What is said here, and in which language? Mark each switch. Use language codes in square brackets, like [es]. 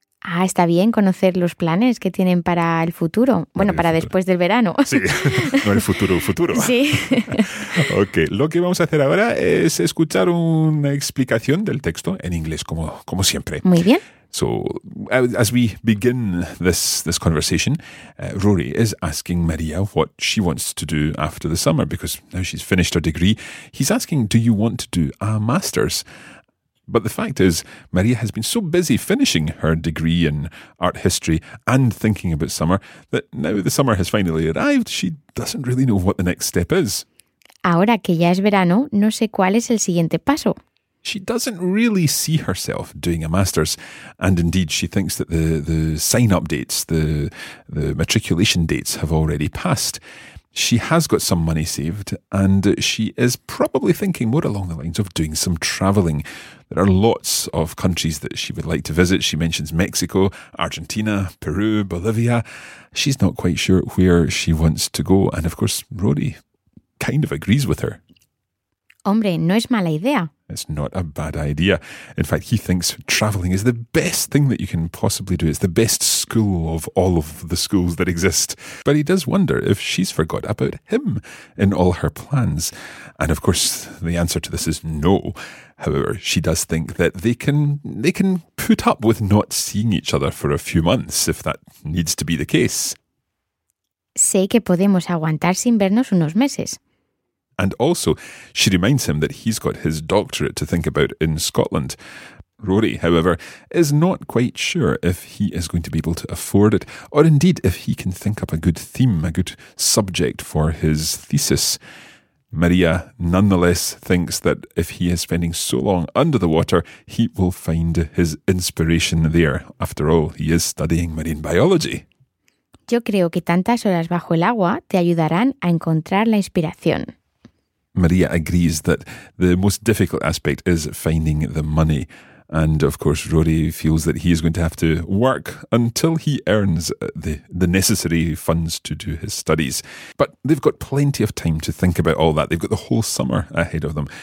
[es] Ah, está bien conocer los planes que tienen para el futuro. Bueno, para después del verano. Sí, no el futuro, el futuro. Sí. Ok, lo que vamos a hacer ahora es escuchar una explicación del texto en inglés, como siempre. Muy bien. [en] So, as we begin this conversation, Rory is asking María what she wants to do after the summer, because now she's finished her degree. He's asking, do you want to do a master's? But the fact is, Maria has been so busy finishing her degree in art history and thinking about summer that now the summer has finally arrived, she doesn't really know what the next step is. [es] Ahora que ya es verano, no sé cuál es el siguiente paso. [en] She doesn't really see herself doing a master's, and indeed she thinks that the sign-up dates, the matriculation dates have already passed. She has got some money saved, and she is probably thinking more along the lines of doing some travelling. There are lots of countries that she would like to visit. She mentions Mexico, Argentina, Peru, Bolivia. She's not quite sure where she wants to go, and of course, Rory kind of agrees with her. [es] Hombre, no es mala idea. [en] It's not a bad idea. In fact, he thinks travelling is the best thing that you can possibly do. It's the best school of all of the schools that exist. But he does wonder if she's forgot about him in all her plans. And of course, the answer to this is no. However, she does think that they can put up with not seeing each other for a few months, if that needs to be the case. [es] Sé que podemos aguantar sin vernos unos meses. [en] And also, she reminds him that he's got his doctorate to think about in Scotland. Rory, however, is not quite sure if he is going to be able to afford it, or indeed if he can think up a good theme, a good subject for his thesis. Maria, nonetheless, thinks that if he is spending so long under the water, he will find his inspiration there. After all, he is studying marine biology. [es] Yo creo que tantas horas bajo el agua te ayudarán a encontrar la inspiración. [en] Maria agrees that the most difficult aspect is finding the money. And of course, Rory feels that he is going to have to work until he earns the necessary funds to do his studies. But they've got plenty of time to think about all that. They've got the whole summer ahead of them.